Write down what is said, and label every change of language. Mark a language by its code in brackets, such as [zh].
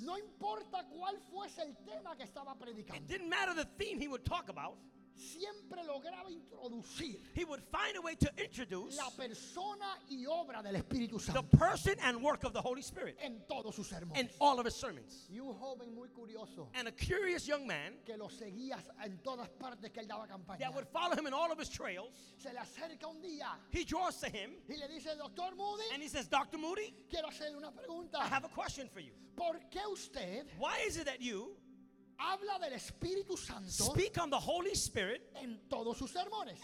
[es] No importa cuál fuese el tema que estaba predicando. [en] It didn't matter the theme he would talk about. [es] Siempre lograba introducir, [en] he would find a way to introduce, [es] la persona y obra del Espíritu Santo, [en] the person and work of the Holy Spirit, [es] en todos sus sermones, [en] in all of his sermons. [es] Y un joven muy curioso, [en] and a curious young man, [es] que lo seguía en todas partes que él daba campaña, [en] that would follow him in all of his trails, [es] se le acerca un día, [en] he draws to him, [es] y le dice, Dr. Moody, [en] and he says, Dr. Moody, [es] quiero hacerle una pregunta, [en] I have a question for you. [es] ¿Por qué usted, [en] why is it that you, [es] habla del Espíritu Santo, [en] speak on the Holy Spirit, [es] en todos sus sermones,